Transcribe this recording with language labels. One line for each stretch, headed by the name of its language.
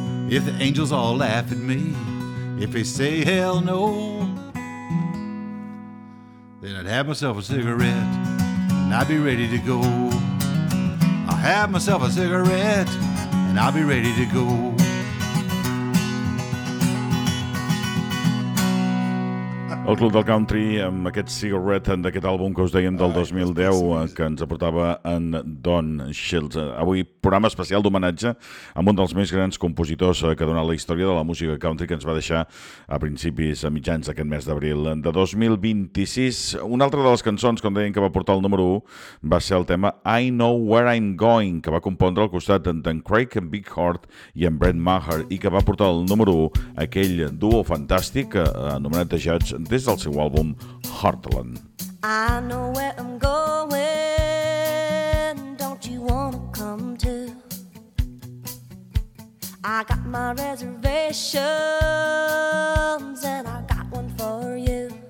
English: If the angels all laugh at me, if they say hell no, then I'd have myself a cigarette and I'd be ready to go. I'll have myself a cigarette and I'll be ready to go.
Catalan: El Club del Country, amb aquest cigarette d'aquest àlbum que us deien del 2010, que ens aportava en Don Shields. Avui, programa especial d'homenatge amb un dels més grans compositors que ha donat la història de la música country, que ens va deixar a principis, a mitjans d'aquest mes d'abril de 2026. Una altra de les cançons, com deien, que va portar el número 1 va ser el tema I Know Where I'm Going, que va compondre al costat d'en Craig and Big Heart i en Brent Maher, i que va portar el número 1 aquell duo fantàstic anomenat The Judge des del seu àlbum Heartland.
English: I know where I'm going, don't you wanna come too? I got my reservations and I got one for you.